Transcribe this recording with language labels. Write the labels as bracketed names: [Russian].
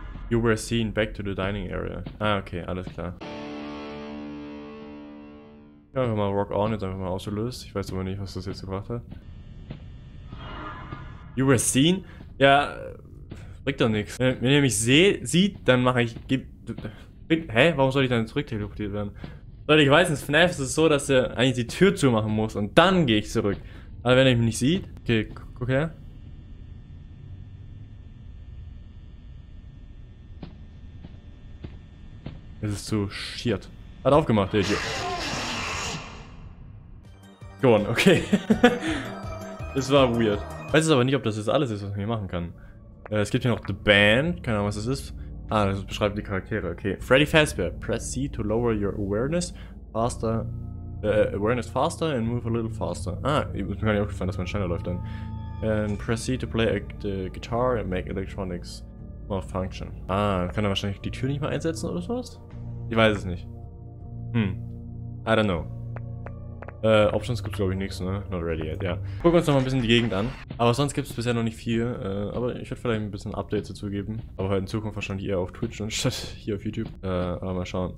[English] You were seen back to the dining area. [German] Ah, okay, alles klar. Ja, einfach mal Rock on jetzt einfach mal ausgelöst. Ich weiß aber nicht, was das jetzt gebracht hat. [English] You were seen? [German] Ja. Bringt doch nichts. Wenn ihr mich sieht, dann mache ich. Hä? Warum soll ich dann zurück teleportiert werden? Leute, ich weiß, in FNAF ist es so, dass er eigentlich die Tür zumachen muss und dann gehe ich zurück. Aber wenn ihr mich nicht sieht. Okay, guck her. Es ist zu schiert. Hat aufgemacht, der Idiot. Gewonnen, okay. Das war weird. Weiß jetzt aber nicht, ob das jetzt alles ist, was man hier machen kann. Es gibt hier noch The Band, keine Ahnung, was das ist. Ah, das beschreibt die Charaktere, okay. [English] Freddy Fazbear, press C to lower your awareness faster. Awareness faster and move a little faster. [German] Ah, ich bin mir gar nicht aufgefallen, dass man schneller läuft dann. [English] And press C to play the guitar and make electronics malfunction. [German] Ah, kann er wahrscheinlich die Tür nicht mehr einsetzen oder sowas? Ich weiß es nicht. [English] I don't know. [German] Options gibt's, glaube ich, nichts, ne? [English] Not ready yet, [German] ja. Gucken wir uns noch mal ein bisschen die Gegend an. Aber sonst gibt's bisher noch nicht viel, aber ich würde vielleicht ein bisschen Updates dazu geben. Aber halt in Zukunft wahrscheinlich eher auf Twitch und statt hier auf YouTube. Aber mal schauen.